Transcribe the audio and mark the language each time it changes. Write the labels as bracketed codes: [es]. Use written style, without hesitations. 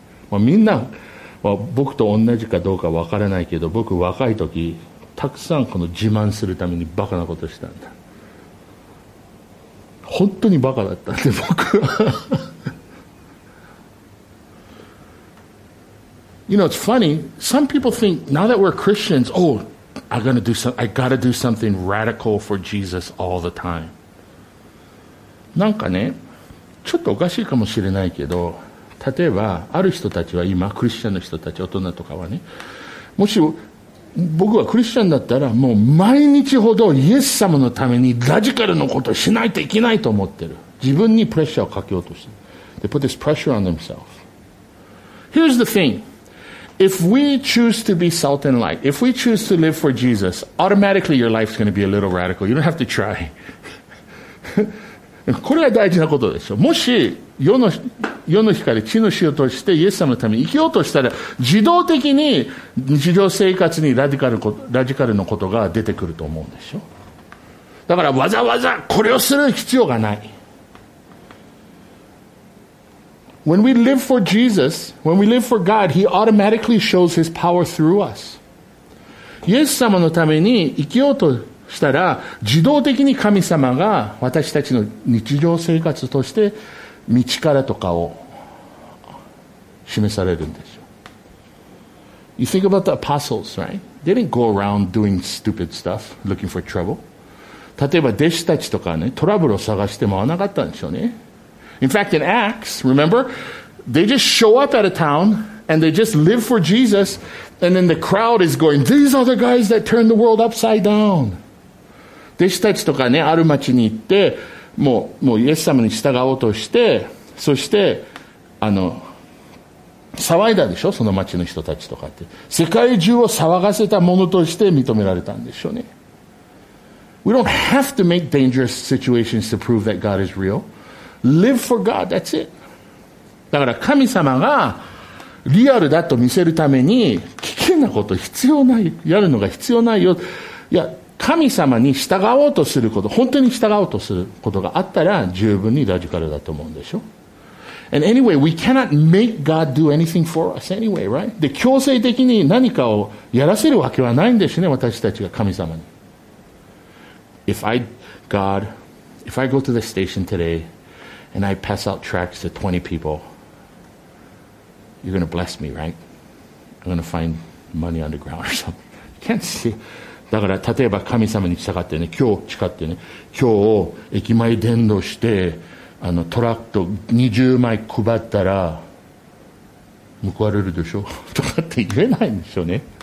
[ja] Well, みんな、まあ、僕と同じかどうかわからないけど、僕若い時、たくさんこの自慢するためにバカなことしたんだ。本当にバカだったんで、僕は。 [en] You know, it's funny. Some people think, now that we're Christians, oh, I gotta do something radical for Jesus all the time. [ja] なんかね、ちょっとおかしいかもしれないけど、例えばある人たちは今クリスチャンの人たち、大人とかはね、もし僕はクリスチャンだったらもう毎日ほどイエス様のためにラジカルのことしないといけないと思ってる。自分にプレッシャーをかけようとしてる。 [en] They put this pressure on themselves. Here's the thing. If we choose to be salt and light, if we choose to live for Jesus, automatically your life's going to be a little radical. You don't have to try. [ja] これが大事なことでしょ。もし世の光、地の塩としてイエス様のために生きようとしたら、自動的に日常生活にラジカルのことが出てくると思うんでしょ。だからわざわざこれをする必要がない。 [en] When we live for Jesus, when we live for God, He automatically shows His power through us. [ja] イエス様のために生きようとしたら自動的に神様が私たちの日常生活として道からとかを示されるんでしょう。 [en] You think about the apostles, right? They didn't go around doing stupid stuff, looking for trouble. [ja] 例えば弟子たちとかね、トラブルを探して回らなかったんでしょうね。 [en] In fact, in Acts, remember, they just show up at a town and they just live for Jesus. And then the crowd is going, these are the guys that turned the world upside down. [ja] 弟子たちとかね、ある町に行って、もうイエス様に従おうとして、そして、騒いだでしょ、その町の人たちとかって。世界中を騒がせたものとして認められたんでしょうね。 [en] We don't have to make dangerous situations to prove that God is real. Live for God, that's it. [ja] だから神様がリアルだと見せるために危険なこと必要ない、やるのが必要ないよ。いや、神様に従おうとすること、本当に従おうとすることがあったら十分にラジカルだと思うんでしょ。 [en] And anyway, we cannot make God do anything for us anyway, right? [ja] で、強制的に何かをやらせるわけはないんですね、私たちが神様に。 [en] If I go to the station today and I pass out tracts to 20 people, you're going to bless me, right? I'm going to find money underground or something. You can't see. [ja] だから例えば神様に従ってね、今日誓ってね、今日駅前伝道してトラック20枚配ったら報われるでしょとかって言えないんでしょうね。